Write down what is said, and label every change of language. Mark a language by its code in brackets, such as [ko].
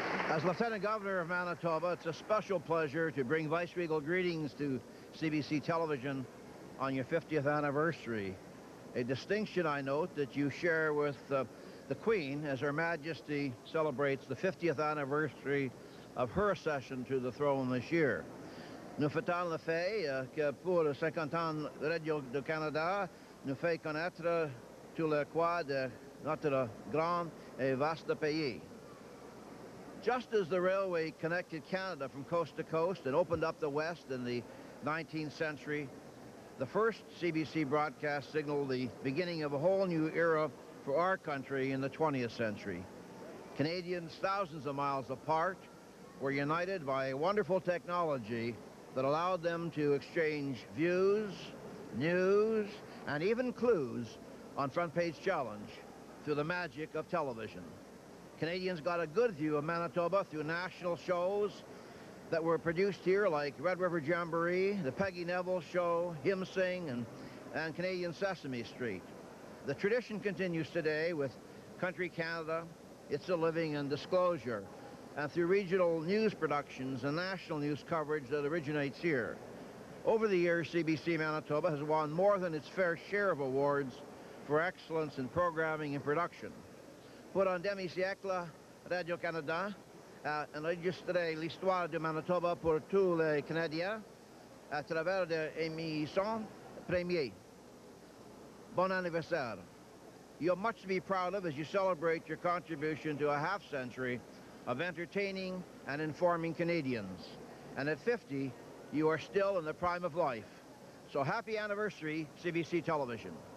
[en] As Lieutenant Governor of Manitoba, it's a special pleasure to bring Vice Regal greetings to CBC Television on your 50th anniversary, a distinction, I note, that you share with the Queen as Her Majesty celebrates the 50th anniversary of her accession to the throne this year. [fr] Nous fêtons le fait que pour le 50 ans de Radio du Canada, nous fait connaître tout le quoi de notre grand et vaste pays. [en] Just as the railway connected Canada from coast to coast and opened up the West in the 19th century, the first CBC broadcast signaled the beginning of a whole new era for our country in the 20th century. Canadians, thousands of miles apart, were united by a wonderful technology that allowed them to exchange views, news, and even clues on Front Page Challenge through the magic of television. Canadians got a good view of Manitoba through national shows that were produced here, like Red River Jamboree, The Peggy Neville Show, Him Sing, and Canadian Sesame Street. The tradition continues today with Country Canada, It's a Living, and Disclosure, and through regional news productions and national news coverage that originates here. Over the years, CBC Manitoba has won more than its fair share of awards for excellence in programming and production. [fr] Pour un demi-siècle, Radio-Canada a enregistré l'histoire de Manitoba pour tous les Canadiens à travers des émissions premières. Bon anniversaire. [en] You have much to be proud of as you celebrate your contribution to a half century of entertaining and informing Canadians. And at 50, you are still in the prime of life. So happy anniversary, CBC Television.